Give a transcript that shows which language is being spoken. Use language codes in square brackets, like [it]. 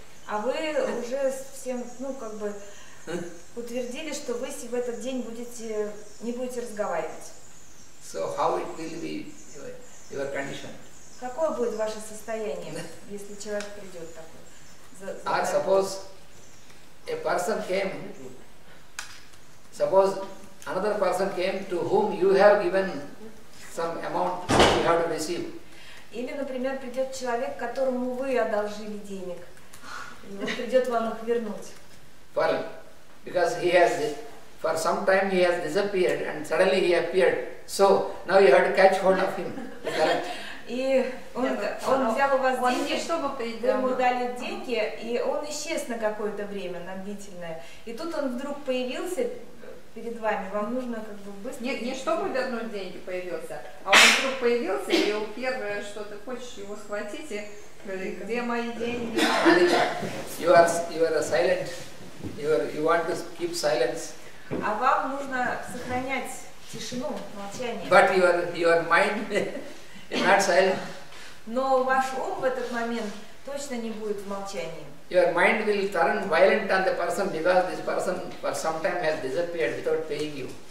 [ru] А вы уже всем, ну, как бы, утвердили, что вы в этот день будете, не будете разговаривать. [en] So, how it will be your condition? [ru] Какое будет ваше состояние, если человек придет такой? [en] Or suppose a person came, another person came to whom you have given some amount you have to receive. [ru] Или, например, придет человек, которому вы одолжили денег, и он придет вам их вернуть. [en] Well, because he has, for some time he has disappeared and suddenly he appeared. So now you have to catch hold of him. [ru] И он взял у вас деньги, чтобы вы ему дали деньги, и он исчез на какое-то время, на длительное. И тут он вдруг появился перед вами, вам нужно как бы быстро... Нет, не чтобы вернуть деньги появился, а он вдруг появился, и у первого, что ты хочешь, его схватить, и говорит, где мои деньги? [en] You are silent. You want to keep silence. [ru] А вам нужно сохранять тишину, молчание. [en] But your mind is not silent. [ru] Но ваш ум в этот момент точно не будет в молчании. [en] Your mind will turn violent on the person because this person for some time has disappeared without paying you.